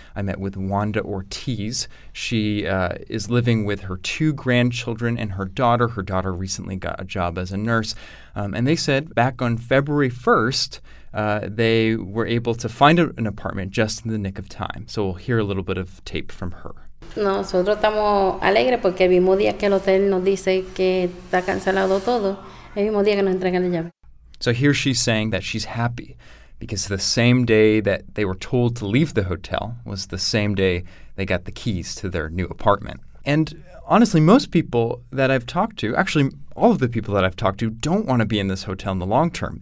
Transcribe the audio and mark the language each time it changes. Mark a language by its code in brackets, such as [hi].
[en] I met with Wanda Ortiz. She is living with her two grandchildren and her daughter. Her daughter recently got a job as a nurse. And they said back on February 1st, they were able to find an apartment just in the nick of time. So we'll hear a little bit of tape from her. [es] Nosotros estamos alegres porque el mismo día que el hotel nos dice que está cancelado todo. [en] So here she's saying that she's happy because the same day that they were told to leave the hotel was the same day they got the keys to their new apartment. And honestly, most people that I've talked to, actually all of the people that I've talked to, don't want to be in this hotel in the long term.